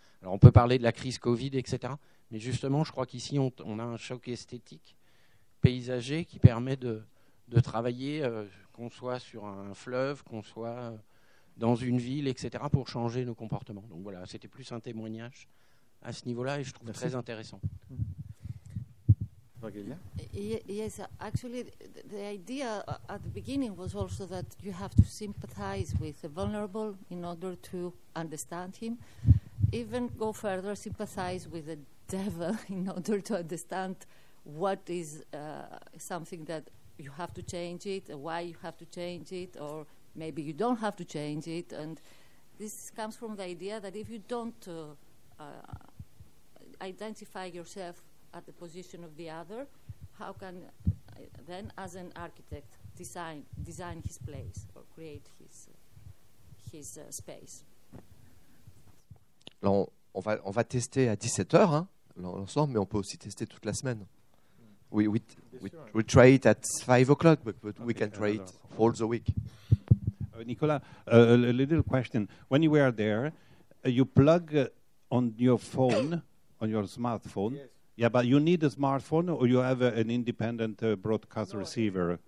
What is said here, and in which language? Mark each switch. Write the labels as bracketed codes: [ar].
[fr] Alors, on peut parler de la crise Covid, etc. Mais justement, je crois qu'ici, on a un choc esthétique paysager qui permet de travailler, qu'on soit sur un fleuve, qu'on soit dans une ville, etc., pour changer nos comportements. Donc voilà, c'était plus un témoignage à ce niveau-là et je trouve très intéressant. [en] Yes, actually, the idea at the beginning was also that you have to sympathize with the vulnerable in order to understand him. Even go further, sympathize with the devil in order to understand what is something that you have to change it, why you have to change it, or maybe you don't have to change it. And this comes from the idea that if you don't identify yourself at the position of the other, how can then, as an architect, design his place or create his space? [fr] Alors on va tester à 17h, hein, l'ensemble, mais on peut aussi tester toute la semaine. [en] We try it at 5 o'clock, but we can try it all the week. Nicolas, a little question. When you were there, you plug on your phone, on your smartphone. Yes. Yeah, but you need a smartphone or you have an independent broadcast receiver?